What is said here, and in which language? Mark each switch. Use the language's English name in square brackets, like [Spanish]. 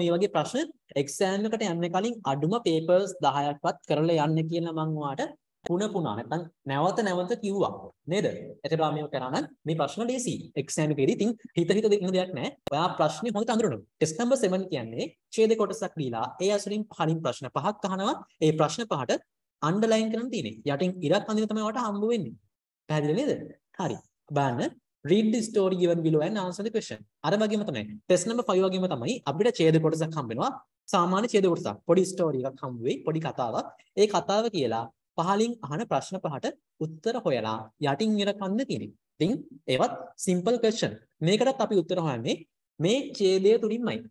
[Sinhala] ඔයා මේ වගේ ප්‍රශ්න exam එකට යන්නේ කලින් අඩුම papers 10ක්වත් කරලා යන්න කියලා මම ඔයාට පුන පුනා නැත්නම් නැවත නැවත කිව්වා. නේද? එතකොට ඔයා මේක කරා නම් මේ ප්‍රශ්න ලේසි. exam එකේදී ඉතින් හිත හිත දෙන්න දෙයක් නැහැ. ඔයා ප්‍රශ්නේ හොඳට අඳුරනවා. test number 7 කියන්නේ ඡේද කොටසක් දීලා ඒ අසලින් පහලින් ප්‍රශ්න පහක් අහනවා. ඒ ප්‍රශ්න පහට අන්ඩර්ලයින් කරන්න තියෙන්නේ. යටින් ඉරක් අඳින තමයි ඔයාට හම්බ වෙන්නේ. පැහැදිලි නේද? හරි. [English] බලන්න read the story given below and answer the question. [Sinhala] අර වගේම තමයි test number 5 වගේම තමයි අපිට ඡේද කොටසක් හම්බෙනවා. සාමාන්‍ය ඡේද කොටසක්. පොඩි story එකක් හම්බ වෙයි. පොඩි කතාවක්. ඒ කතාව කියලා පහලින් අහන ප්‍රශ්න පහට උත්තර හොයලා යටින් ඉර කන්ද තියෙන්නේ. ඉතින් ඒවත් සිම්පල් ක්වෙස්චන්. මේකටත් අපි උත්තර හොයන්නේ මේ ඡේදය තුලින්මයි.